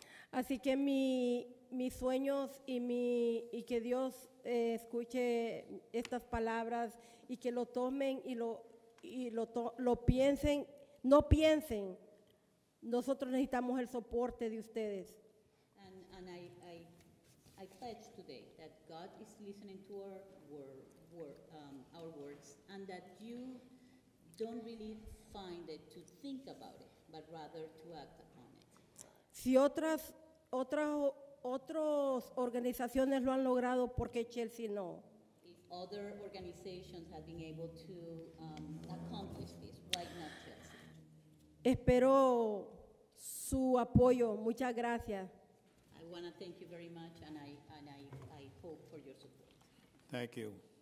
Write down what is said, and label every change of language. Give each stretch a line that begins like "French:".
Spanish: Así que mis sueños y que Dios escuche estas palabras y que lo tomen y lo piensen, no piensen. Nosotros necesitamos el soporte de ustedes.
English: And I pledge today that God is listening to our word. Our words, and that you don't really find it to think about it, but rather to act upon it.
Spanish: Si otras organizaciones lo han logrado, ¿por qué Chelsea no?
English: If other organizations have been able to accomplish this, why not Chelsea?
Spanish: Espero su apoyo. Muchas gracias.
English: I want to thank you very much, and I hope for your support. Thank you.